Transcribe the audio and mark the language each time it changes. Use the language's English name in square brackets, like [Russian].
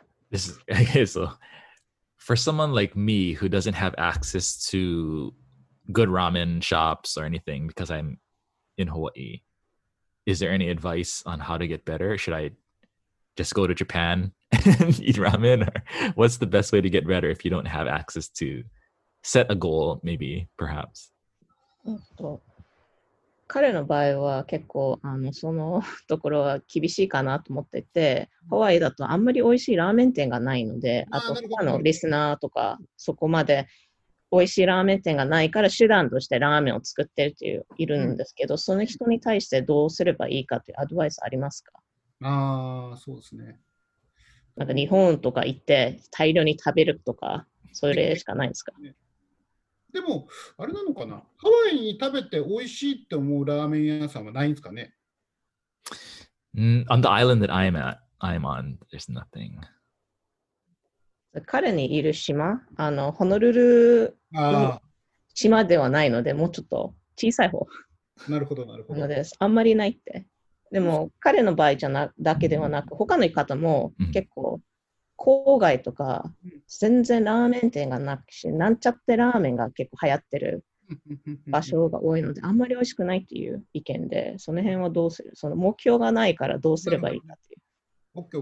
[English] This is, okay, so for someone like me who doesn't have access to good ramen shops or anything because I'm in Hawaii, is there any advice on how to get better? Should I just go to Japan and eat ramen? Or what's the best way to get better if you don't have access to set a goal, maybe, perhaps? [Japanese] 彼の場合は結構あのそのところは厳しいかなと思ってて、ハワイだとあんまり美味しいラーメン店がないので、あと他のリスナーとかそこまで美味しいラーメン店がないから手段としてラーメンを作ってるっていういるんですけど、その人に対してどうすればいいかというアドバイスありますか？ああ、そうですね。なんか日本とか行って大量に食べるとか、それしかないですか？でも、あれなのかな？ハワイに食べて美味しいって思うラーメン屋さんはないんですかね？ [English] On the island that I'm at, I'm on, there's nothing. [Japanese] 彼にいる島、あの、ホノルルの島ではないので、もうちょっと小さい方。なるほど、なるほど。なのです。あんまりないって。でも彼の場合じゃなだけではなく他の方も結構郊外とか全然ラーメン店がなくしなんちゃってラーメンが結構流行ってる場所が多いのであんまり美味しくないっていう意見でその辺はどうするその目標がないからどうすればいいかっていう